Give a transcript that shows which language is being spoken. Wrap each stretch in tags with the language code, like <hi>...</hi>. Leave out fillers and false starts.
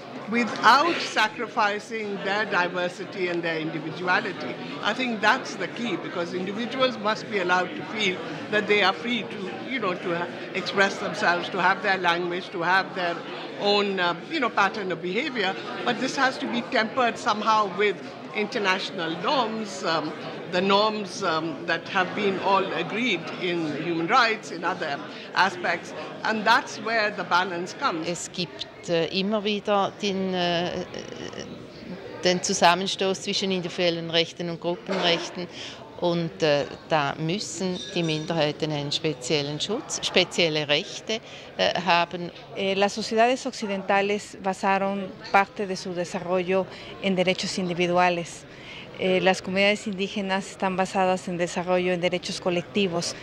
<en>Without sacrificing their diversity and their individuality, I think that's the key, because individuals must be allowed to feel that they are free to, you know, to express themselves, to have their language, to have their own, you know, pattern of behavior. But this has to be tempered somehow with international norms, the norms that have been all agreed in human rights, in other aspects, and that's where the balance comes.</en> <de>Es gibt immer wieder den Zusammenstoß zwischen individuellen Rechten und Gruppenrechten, und da müssen die Minderheiten einen speziellen Schutz, spezielle Rechte haben.</de> <es>Las sociedades occidentales basaron parte de su desarrollo en derechos individuales. Las comunidades indígenas están basadas en desarrollo en derechos colectivos.</es>